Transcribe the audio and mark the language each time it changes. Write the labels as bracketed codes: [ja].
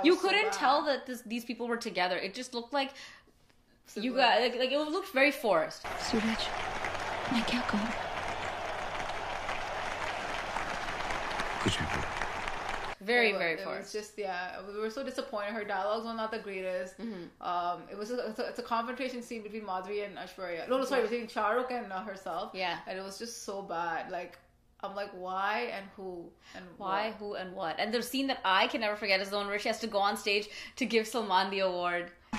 [en] you couldn't tell that these people were together. It just looked like Simple. You got it looked very forced. [hi] सूरज, मैं क्या कहूँ? कुछ भी। [en] Very, it was, very it forced. Was just, yeah, we were so disappointed. Her dialogues were not the greatest. Mm-hmm. It's a confrontation scene between Madhuri and Aishwarya. Between Shah Rukh and herself. Yeah. And it was just so bad. Why and who? Who and what? And the scene that I can never forget is the one where she has to go on stage to give Salman the award.